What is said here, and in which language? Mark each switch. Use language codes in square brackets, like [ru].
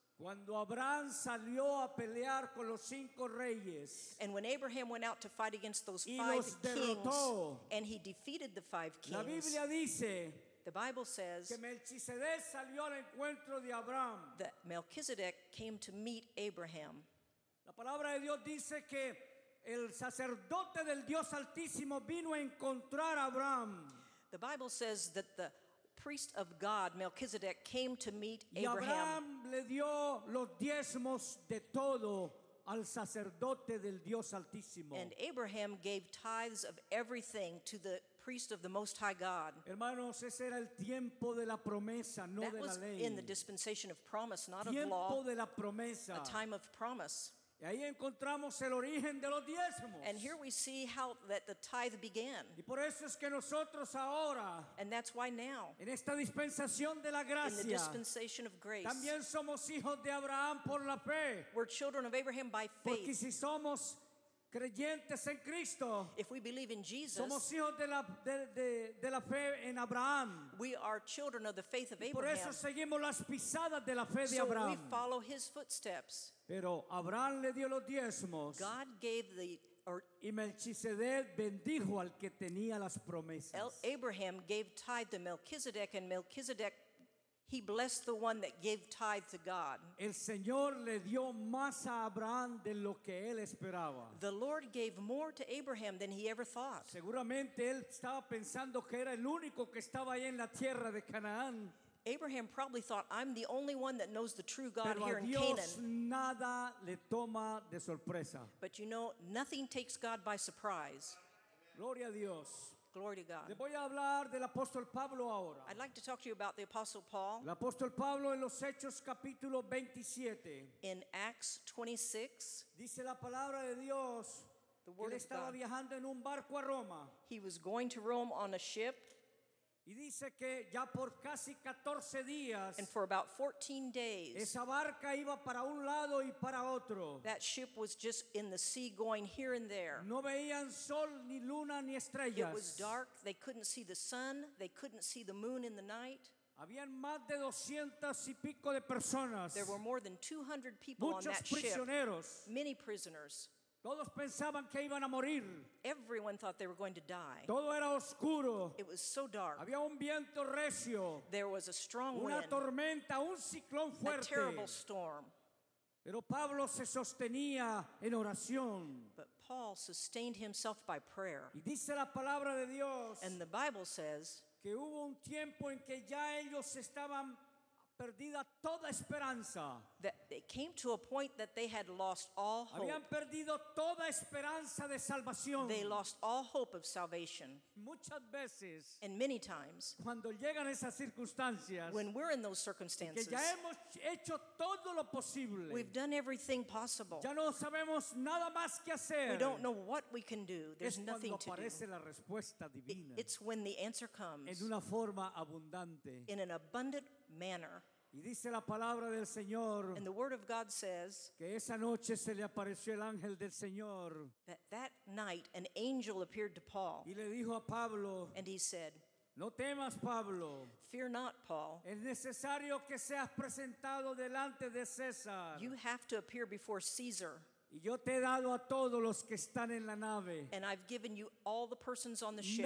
[es] Cuando Abraham salió a pelear con los cinco reyes, [en] and when Abraham went out to fight against those five [es] los derrotó, [en] kings, and he defeated the five kings, [es] la Biblia dice, [en] the Bible says [es] que Melchizedek salió al encuentro de Abraham. [en] That Melchizedek came to meet Abraham. [es] La palabra de Dios dice que el sacerdote del Dios Altísimo vino a encontrar a Abraham. [en] The Bible says that the priest of God, Melchizedek, came to meet Abraham. [es] Y Abraham le dio los diezmos de todo al sacerdote del Dios Altísimo. [en] And Abraham gave tithes of everything to the priest of the Most High God. [es] Hermanos, ese era el tiempo de la promesa, no [en] that [es] de [en] was [es] la ley. [en] In the dispensation of promise, not [es] tiempo [en] of law. [es] De la promesa. [en] A time of promise. [es] Y ahí encontramos el origen de los diezmos. [en] And here we see how that the tithe began. [es] Y por eso es que nosotros ahora, [en] and that's why now, [es] en esta dispensación de la gracia, [en] in the dispensation of grace, [es] también somos hijos de Abraham por la fe. [en] We're children of Abraham by faith. [es] Porque si somos creyentes en Cristo, [en] if we believe in Jesus, [es] somos hijos de la fe en Abraham. [en] We are children of the faith of [es] y [en] Abraham. [es] Por eso seguimos las pisadas de la fe de Abraham. [en] So we follow his footsteps. [es] Pero Abraham le dio los diezmos. [en] God gave the, or, [es] y Melchizedek bendijo al que tenía las promesas. [en] Abraham gave tithe to Melchizedek, and Melchizedek, he blessed the one that gave tithe to God. [es] El Señor le dio más a Abraham de lo que él esperaba. [en] The Lord gave more to Abraham than he ever thought. [es] Seguramente él estaba pensando que era el único que estaba ahí en la tierra de Canaán. [en] Abraham probably thought, I'm the only one that knows the true God [es] Pero [en] here in [es] Dios [en] Canaan. [es] Nada le toma de sorpresa. [en] But you know, nothing takes God by surprise. [es] Gloria a Dios. [en] Glory to God. [es] Le voy a hablar del apóstol Pablo ahora. [en] I'd like to talk to you about the Apostle Paul. [es] El apóstol Pablo en los Hechos capítulo 27. [en] In Acts 26. [es] Dice la palabra de Dios. [en] The word [es] que él estaba [en] of God. [es] Viajando en un barco a Roma. [en] He was going to Rome on a ship. [es] Y dice que ya por casi 14 días, [en] and for about 14 days, [es] esa barca iba para un lado y para otro. [en] That ship was just in the sea going here and there. [es] No veían sol, ni luna, ni estrellas. [en] It was dark. They couldn't see the sun. They couldn't see the moon in the night. [es] Habían más de 200 y pico de personas. [en] There were more than 200 people [es] Muchos [en] on that [es] prisioneros. [en] Ship. Many prisoners. [es] Todos pensaban que iban a morir. [en] Everyone thought they were going to die. [es] Todo era oscuro. [en] It was so dark. [es] Había un viento recio. [en] There was a strong [es] Una [en] wind. [es] Una tormenta, un ciclón fuerte. [en] A terrible storm. [es] Pero Pablo se sostenía en oración. [en] But Paul sustained himself by prayer. [es] Y dice la palabra de Dios. [en] And the Bible says [es] que hubo un tiempo en que ya ellos estaban perdida toda esperanza. [en] That it came to a point that they had lost all hope. [es] Habían perdido toda esperanza de salvación. [en] They lost all hope of salvation. [es] Muchas veces. [en] And many times. [es] Cuando llegan esas circunstancias. [en] When we're in those circumstances. [es] Que ya hemos hecho todo lo posible. [en] We've done everything possible. [es] Ya no sabemos nada más que hacer. [en] We don't know what we can do. There's nothing to do. [es] Es cuando aparece la respuesta divina. [en] It's when the answer comes. [es] En una forma abundante. [en] In an abundant manner. [es] Y dice la palabra del Señor, [en] and the word of God says [es] que esa noche se le apareció el ángel del Señor, [en] that night an angel appeared to Paul, [es] y le dijo a Pablo, [en] and he said, [es] no temas, Pablo. [en] Fear not, Paul. [es] Es necesario que seas presentado delante de César. [en] You have to appear before Caesar. [es] Y yo te he dado a todos los que están en la nave. [en] And I've given you all the persons on the ship.